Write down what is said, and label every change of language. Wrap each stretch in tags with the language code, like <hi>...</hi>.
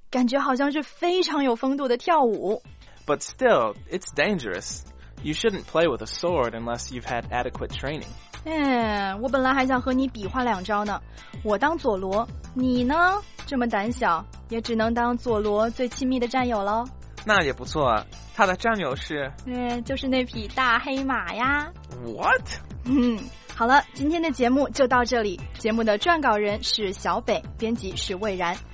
<zh>感觉好像是非常有风度的跳舞。</zh> <en>But still, it's dangerous. You shouldn't play with a sword unless you've had adequate training.</en> <zh>嗯，我本来还想和你比划两招呢，我当佐罗，你呢？这么胆小，也只能当佐罗最亲密的战友喽。那也不错，他的战友是？就是那匹大黑马呀。</zh> <en>What？</en> <zh>好了，今天的节目就到这里。节目的撰稿人是小北，编辑是魏然。</zh>